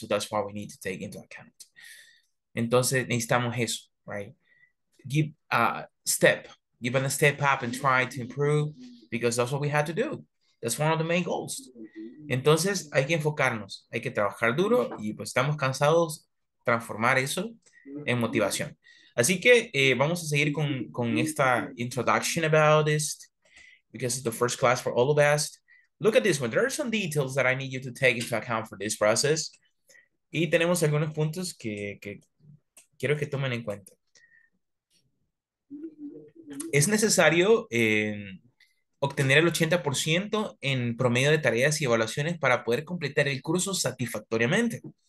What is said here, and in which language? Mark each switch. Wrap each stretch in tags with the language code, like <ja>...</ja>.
<en>So that's why we need to take into account.</en> <es>Entonces, necesitamos eso,</es> <en>right? Give a step up and try to improve because that's what we had to do. That's one of the main goals.</en> <es>Entonces, hay que enfocarnos. Hay que trabajar duro y pues estamos cansados transformar eso en motivación. Así que vamos a seguir con esta</es> <en>introduction about this because it's the first class for all of us. Look at this one. There are some details that I need you to take into account for this process.</en> <es>Y tenemos algunos puntos que quiero que tomen en cuenta. Es necesario obtener el 80% en promedio de tareas y evaluaciones para poder completar el curso satisfactoriamente.</es>